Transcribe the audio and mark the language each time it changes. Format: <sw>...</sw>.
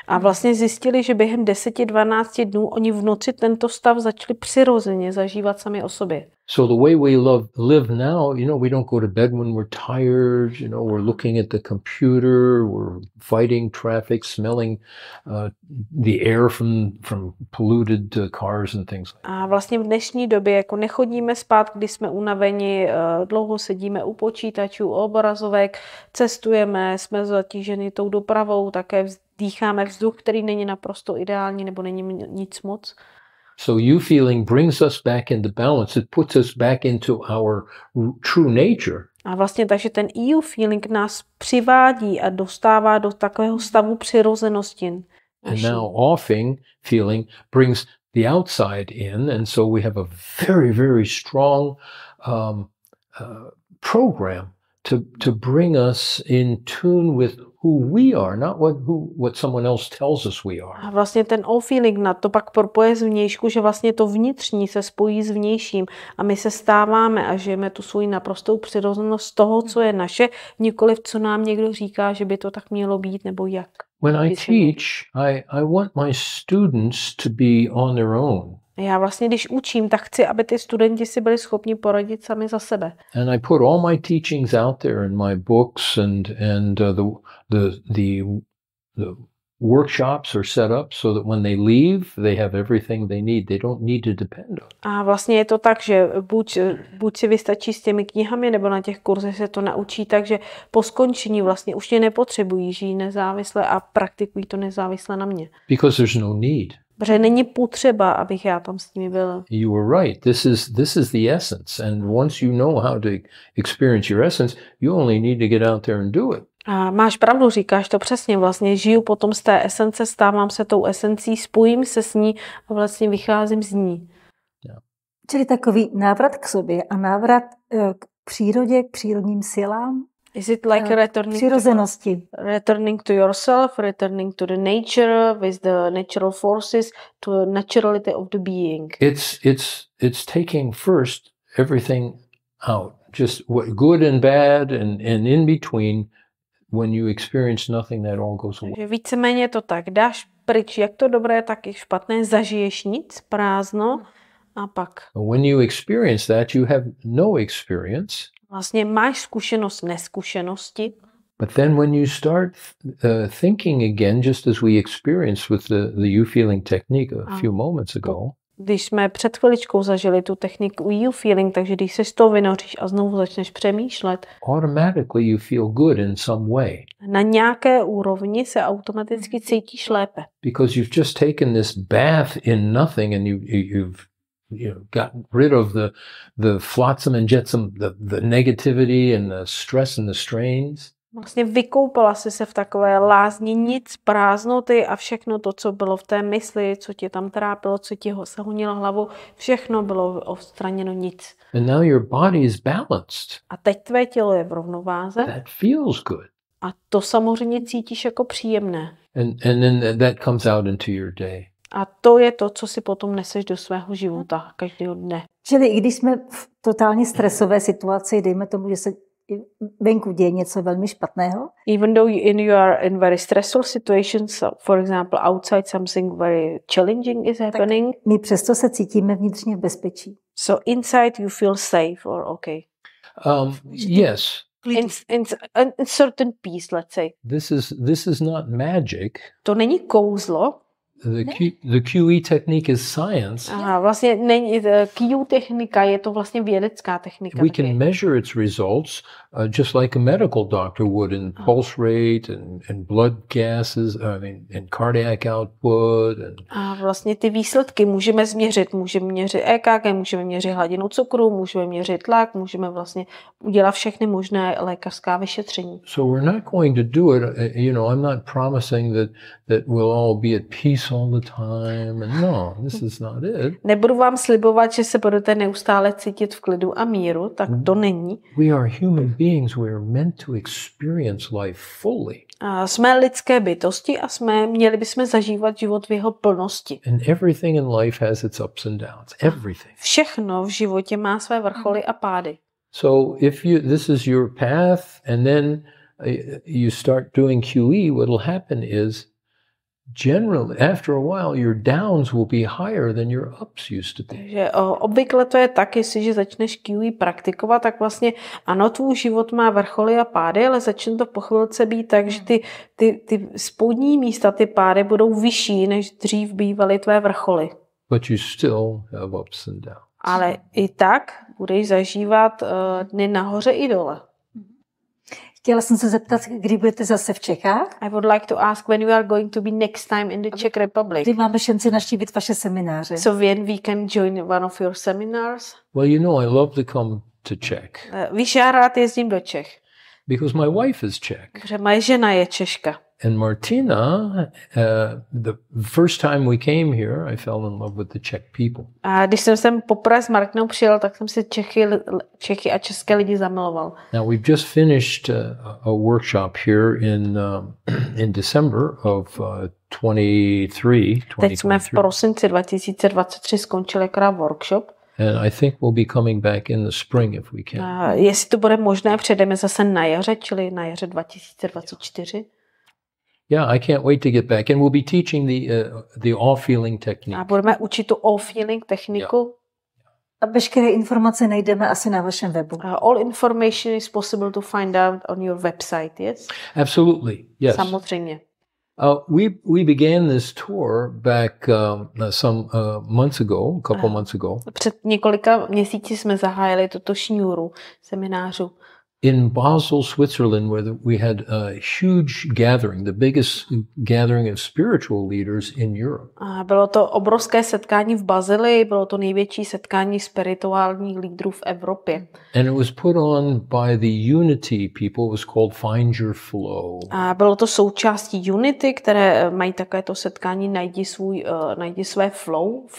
<cs>A vlastně zjistili, že během 10-12 dnů oni v noci tento stav začali přirozeně zažívat sami o sobě.</cs> <en>So the way we live now, you know, we don't go to bed when we're tired, you know, we're looking at the computer, we're fighting traffic, smelling the air from polluted cars and things.</en> <cs>A vlastně v dnešní době jako nechodíme spát, když jsme unaveni, dlouho sedíme u počítačů, u obrazovek, cestujeme, jsme zatíženi tou dopravou, také vzdýcháme vzduch, který není naprosto ideální nebo není nic moc.</cs> <en>So you feeling brings us back into balance. It puts us back into our true nature.</en> <cs>A vlastně takže ten EU feeling nás přivádí a dostává do takového stavu přirozenosti.</cs> <en>And now offing feeling brings the outside in, and so we have a very, very strong program to bring us in tune with who we are, not what someone else tells us we are.</en> <cs>A vlastně ten all feeling na to pak propoje z vnějšku, že vlastně to vnitřní se spojí s vnějším a my se stáváme a žijeme tu svou naprostou přirozenost toho, co je naše, nikoliv co nám někdo říká, že by to tak mělo být nebo jak.</cs> <en>When I teach, I want my students to be on their own.</en> <cs>Já vlastně, když učím, tak chci, aby ty studenti si byli schopni poradit sami za sebe.</cs> <en>And I put all my teachings out there in my books and the workshops are set up so that when they leave, they have everything they need. They don't need to depend on.</en> <cs>A vlastně je to tak, že buď si vystačí s těmi knihami, nebo na těch kurzech se to naučí, takže po skončení vlastně už je nepotřebují, žijí nezávisle a praktikují to nezávisle na mě.</cs> <en>Because there's no need.</en> <cs>Protože není potřeba, abych já tam s nimi byla.</cs> <en>You are right. This is the essence. And once you know how to experience your essence, you only need to get out there and do it.</en> <cs>A máš pravdu, říkáš to přesně. Vlastně žiju potom z té esence, stávám se tou esencí, spojím se s ní a vlastně vycházím z ní.</cs> <en>Yeah.</en> <cs>Čili takový návrat k sobě a návrat k přírodě, k přírodním silám.</cs> <en>Is it like returning to yourself, returning to the nature with the natural forces, to the naturality of the being? It's taking first everything out, just what good and bad and in between. When you experience nothing, that all goes away.</en> <cs>Víceméně to tak, dáš pryč jak to dobré, tak i špatné, zažiješ nic, prázdno a pak.</cs> <en>When you experience that, you have no experience.</en> <cs>Vlastně máš zkušenost neskušenosti.</cs> <en>But then when you start thinking again, just as we experienced with the you feeling technique a few moments ago.</en> <cs>Když jsme před chviličkou zažili tu techniku you feeling, takže když se z toho vynoříš a znovu začneš přemýšlet.</cs> <en>Automatically you feel good in some way.</en> <cs>Na nějaké úrovni se automaticky cítíš lépe.</cs> <en>Because you've just taken this bath in nothing and you've got rid of the flotsam and jetsam, the negativity and the stress and the strains.</en> <cs>Vlastně vykoupala jsi se v takové lázni nic, prázdnoty a všechno to, co bylo v té mysli, co tě tam trápilo, co ti se honilo hlavu, všechno bylo odstraněno nic.</cs> <en>And now your body is balanced.</en> <cs>A teď tvé tělo je v rovnováze.</cs> <en>That feels good.</en> <cs>A to samozřejmě cítíš jako příjemné.</cs> <en>And then that comes out into your day.</en> <cs>A to je to, co si potom neseš do svého života každého dne. Čili i když jsme v totálně stresové situaci, dejme tomu, že se venku děje něco velmi špatného.</cs> <en>Even though you are in very stressful situations, for example, outside something very challenging is happening.</en> <cs>My přesto se cítíme vnitřně v bezpečí.</cs> <en>So inside you feel safe or okay. Yes. In certain peace, let's say. This is not magic.</en> <cs>To není kouzlo.</cs> <en>The QE technique is science.</en> <cs>Aha, vlastně není QE technika, je to vlastně vědecká technika.</cs> <en>We can measure its results just like a medical doctor would in pulse rate and blood gases, and cardiac output.</en> <cs>A vlastně ty výsledky můžeme změřit, můžeme měřit EKG, můžeme měřit hladinu cukru, můžeme měřit tlak, můžeme vlastně udělat všechny možné lékařská vyšetření.</cs> <en>So we're not going to do it, you know, I'm not promising that we'll all be at peace all the time. No, this is not it.</en> <cs>Nebudu vám slibovat, že se budete neustále cítit v klidu a míru, tak to není.</cs> <en>We are human beings, we are meant to experience life fully.</en> <cs>A jsme lidské bytosti a měli bychom zažívat život v jeho plnosti.</cs> <en>And everything in life has its ups and downs. Everything.</en> <cs>Všechno v životě má své vrcholy a pády.</cs> <en>So this is your path and then you start doing QE, what'll happen is generally, after a while, your downs will be higher than your ups used to be.</en> <cs>Takže obvykle to je tak, jestliže začneš QE praktikovat, tak vlastně ano, tvůj život má vrcholy a pády, ale začne to po chvilce být tak, že ty spodní místa, ty pády budou vyšší, než dřív bývaly tvé vrcholy.</cs> <en>But you still have ups and downs.</en> <cs>Ale i tak budeš zažívat dny nahoře i dole. Chtěla jsem se zeptat, kdy budete zase v Čechách?</cs> <en>I would like to ask when you are going to be next time in the Czech Republic.</en> <cs>Kdy máme šanci navštívit vaše semináře?</cs> <en>So when we can join one of your seminars? Well, you know, I love to come to Czech.</en> <cs>Víš, já rád jezdím do Čech.</cs> <en>Because my wife is Czech.</en> <cs>Protože moje žena je Češka.</cs> <en>And Martina, the first time we came here, I fell in love with the Czech people.</en> <cs>A když jsem sem poprvé s Martinou přijel, tak jsem si Čechy a české lidi zamiloval.</cs> <en>Now we've just finished a workshop here in December of 23.</en> <cs>Teď jsme v prosinci 2023 skončili krát workshop.</cs> <en>And I think we'll be coming back in the spring if we can.</en> <cs>Jestli to bude možné, přejdeme zase na jaře, čili na jaře 2024.</cs> <en>Yeah, I can't wait to get back and we'll be teaching the all feeling technique.</en> <cs>A budeme učit tu all feeling techniku. A veškeré informace najdeme asi na vašem webu.</cs> <en>All information is possible to find out on your website, yes? Absolutely. Yes.</en> <cs>Samozřejmě.</cs> <en>We began this tour back couple months ago.</en> <cs>Před několika měsíci jsme zahájili tuto šňůru seminářů.</cs> <en>In Basel, Switzerland, where we had a huge gathering, the biggest gathering of spiritual leaders in Europe.</en> <cs>Bylo to obrovské setkání v Bazilii, bylo to největší setkání spirituálních lídrů v Evropě.</cs> <en>And it was put on by the Unity people, it was called Find Your Flow.</en> <cs>A bylo to součástí Unity, které mají takovéto setkání najdi své flow</cs>